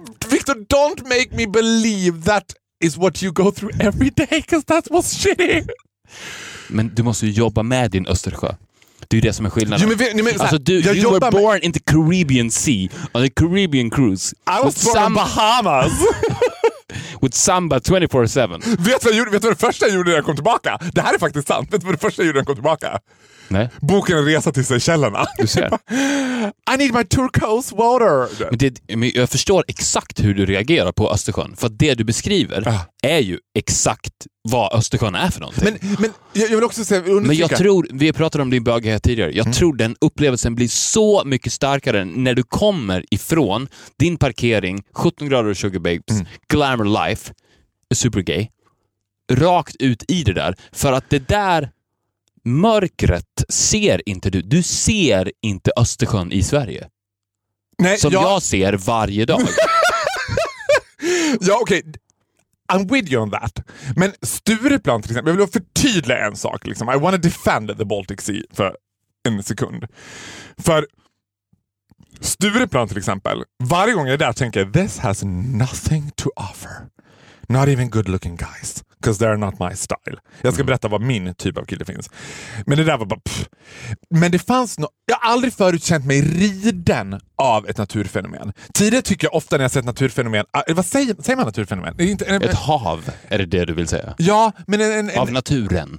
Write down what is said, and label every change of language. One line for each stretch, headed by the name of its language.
English: Victor, don't make me believe that is what you go through every day, because that was shitty.
Swedish: Men du måste ju jobba med din Östersjö. Det är ju det som är skillnaden. Jo, men, såhär,
English: alltså, you were born in the Caribbean Sea on a Caribbean cruise. I was born in Bahamas. With Samba 24-7.
Swedish: Vet du vad det första jag gjorde när jag kom tillbaka? Det här är faktiskt sant. Vet du vad det första jag gjorde när jag kom tillbaka? Nej. Boken Resa till Seychellerna. Du ser.
English: I need my turquoise water.
Swedish: Men jag förstår exakt hur du reagerar på Östersjön. För det du beskriver är ju exakt vad Östersjön är för någonting. Men jag vill också säga, undersöka. Men jag tror, vi pratade om din böghet tidigare. Jag tror den upplevelsen blir så mycket starkare när du kommer ifrån din parkering, 17 grader och
English: sugar babes, glamour life, super gay,
Swedish: rakt ut i det där. För att det där mörkret ser inte du. Du ser inte Östersjön i Sverige. Nej, som jag ser varje dag. Ja, okej.
English: Okay. I'm with you on that.
Swedish: Men Stureplan till exempel, jag vill förtydliga en sak. Liksom.
English: I want to defend the Baltic Sea
Swedish: för en sekund. För Stureplan till exempel, varje gång jag är där tänker jag,
English: this has nothing to offer. Not even good looking guys. Because they're not my style.
Swedish: Jag ska berätta vad min typ av kille finns. Men det där var bara pff. Men det fanns något. Jag har aldrig förutkänt mig riden av ett naturfenomen. Tidigare tycker jag ofta när jag sett naturfenomen. Vad säger man naturfenomen? Ett hav, är det du vill säga? Ja, men av naturen.